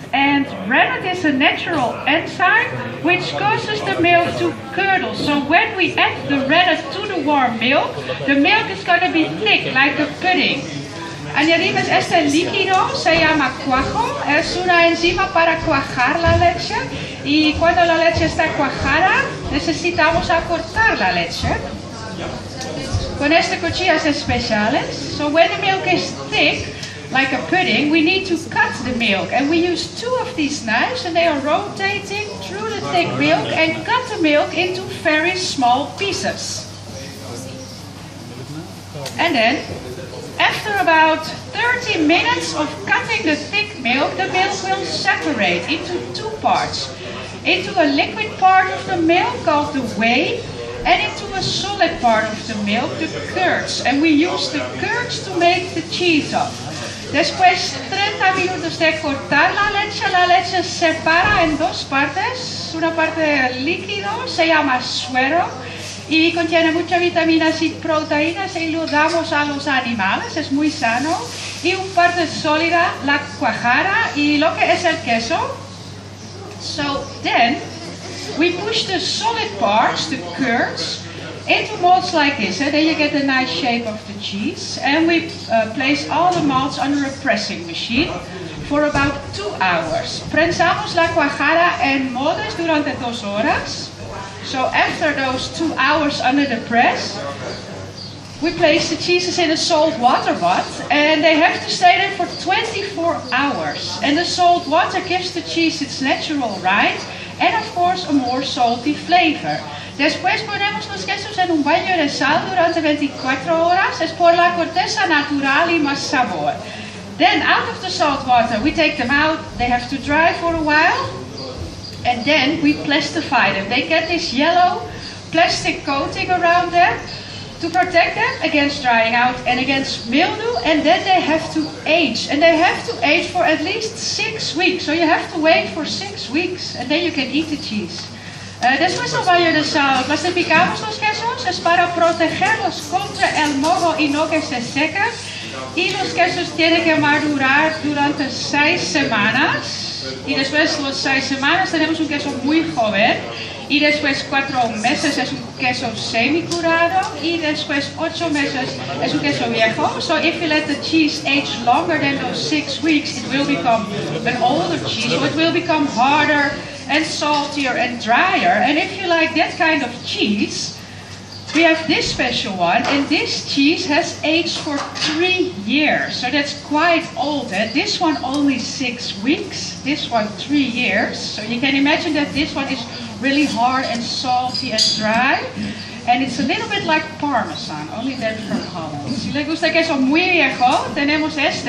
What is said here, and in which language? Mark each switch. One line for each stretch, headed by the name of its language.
English: And rennet is a natural enzyme which causes the milk to curdle. So when we add the rennet to the warm milk, the milk is going to be thick like a pudding.
Spanish: Añadimos este líquido, se llama cuajo, es una enzima para cuajar la leche. Y cuando la leche está cuajada, necesitamos acortar la leche. Con este cuchillas especiales.
English: So when the milk is thick, like a pudding, we need to cut the milk. And we use two of these knives and they are rotating through the thick milk and cut the milk into very small pieces. And then, after about 30 minutes of cutting the thick milk, the milk will separate into two parts. Into a liquid part of the milk called the whey, and into a solid part of the milk, the curds. And we use the curds to make the cheese of.
Spanish: Después 30 minutos de cortar la leche se separa en dos partes. Una parte líquido se llama suero. Y contiene muchas vitaminas y proteínas y lo damos a los animales, es muy sano. Y una parte sólida, la cuajara y lo que es el queso.
English: So then, we push the solid parts, the curds, into molds like this. And then you get a nice shape of the cheese. And we place all the molds under a pressing machine for about 2 hours.
Spanish: Prensamos la cuajara en moldes durante 2 horas.
English: So after those 2 hours under the press, we place the cheeses in a salt water bath and they have to stay there for 24 hours. And the salt water gives the cheese its natural rind and of course a more salty flavor.
Spanish: Después ponemos los quesos en un baño de sal durante 24 horas. Es por la corteza natural y más sabor.
English: Then out of the salt water, we take them out. They have to dry for a while. And then we plastify them. They get this yellow plastic coating around them to protect them against drying out and against mildew. And then they have to age. And they have to age for at least 6 weeks. So you have to wait for 6 weeks and then you can eat the cheese.
Spanish: Después del baño de sal, plastificamos los quesos. Es para protegerlos contra el moho y no que se sequen. Y los quesos tienen que madurar durante 6 semanas. Y después de las 6 semanas tenemos un queso muy joven. Y después 4 meses es un queso semi-curado. Y después 8 meses es un queso viejo.
English: So if you let the cheese age longer than those 6 weeks, it will become an older cheese. So it will become harder and saltier and drier. And if you like that kind of cheese, we have this special one, and this cheese has aged for 3 years. So that's quite old. And this one only 6 weeks, this one 3 years. So you can imagine that this one is really hard and salty and dry. And it's a little bit like Parmesan, only that from Holland.
Spanish: Si le gusta el queso muy viejo, tenemos este.